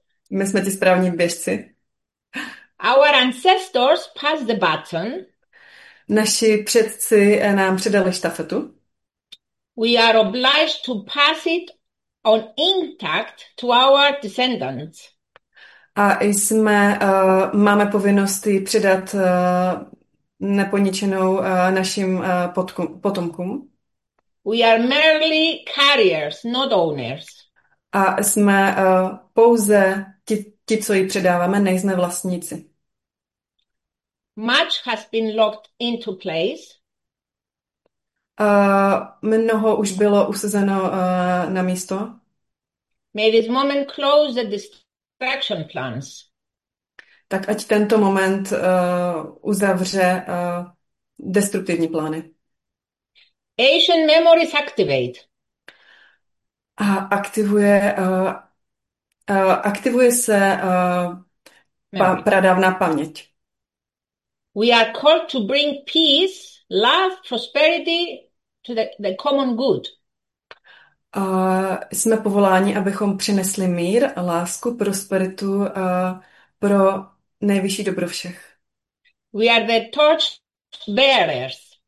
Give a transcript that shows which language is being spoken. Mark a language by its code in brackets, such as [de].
[cs] My jsme ti správní běžci. [en] Our ancestors passed the baton. [cs] Naši předci nám předali štafetu. [en] We are obliged to pass it on intact to our descendants. [cs] A jsme máme povinnost ji předat neponičenou našim potomkům. [en] We are merely carriers, not owners. [cs] A jsme pouze ti, co ji předáváme, nejsme vlastníci. [en] Much has been locked into place. [cs] Mnoho už bylo usazeno na místo. [en] May this moment close the distraction plans. [cs] Tak ať tento moment uzavře destruktivní plány. [en] Ancient memories activate. [cs] A aktivuje se pradávná paměť. [en] We are called to bring peace, love, prosperity to the common good. [cs] Jsme povoláni, abychom přinesli mír, lásku, prosperitu pro nejvyšší dobro všech. [en] We are the torch bearers.